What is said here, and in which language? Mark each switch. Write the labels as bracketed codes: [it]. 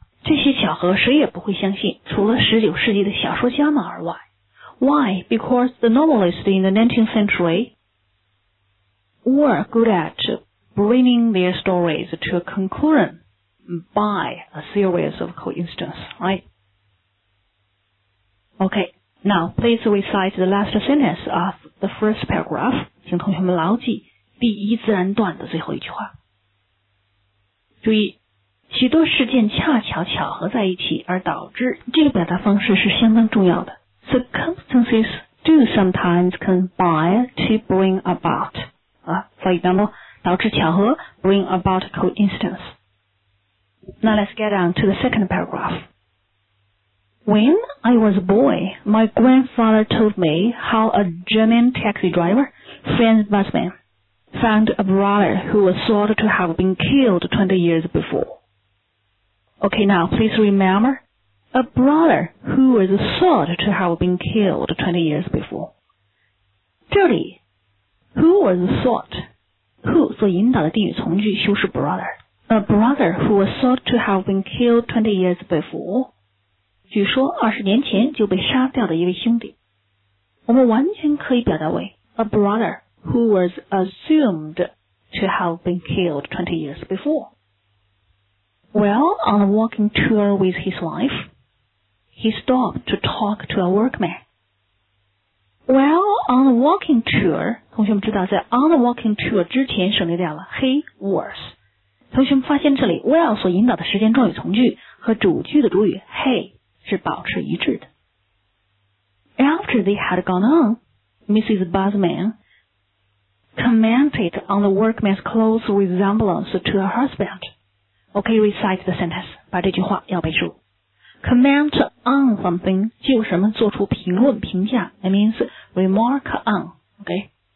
[zh] 这些巧合谁也不会相信除了19世纪的小说家们而外。 [en] Why? Because the novelist in the 19th century,were good at bringing their stories to a conclusion by a series of coincidences, right? Okay, now please recite the last sentence of the first paragraph. [zh] 请同学们牢记第一自然段的最后一句话。注意，许多事件恰巧巧合在一起而导致，这个表达方式是相当重要的。 [en] Circumstances do sometimes conspire to bring about. For example, [zh] 导致巧合 [en] bring about coincidence. Now let's get on to the second paragraph. When I was a boy, my grandfather told me how a German taxi driver, Franz Busman, found a brother who was thought to have been killed 20 years before. Okay, now please remember, a brother who was thought to have been killed 20 years before. [zh] 这里 [en] Who was thought? [zh] Who 所引导的定语从句修饰 brother. [en] A brother who was thought to have been killed 20 years before. [zh] 据说20年前就被杀掉的一位兄弟。我们完全可以表达为 [en] A brother who was assumed to have been killed 20 years before. Well, on a walking tour with his wife, he stopped to talk to a workman. Well, on the walking tour, [zh] 同学们知道在 [en] on the walking tour [zh] 之前省略掉了 [en] he was. [zh] 同学们发现这里 well 所引导的时间状语从句和主句的主语 he 是保持一致的。 [en] After they had gone on, Mrs. Busman commented on the workman's close resemblance to her husband. Okay, recite the sentence. [zh] 把这句话要背熟。 [en] Comment on something, [zh] 就什么做出评论评价 [en] that means remark on, okay?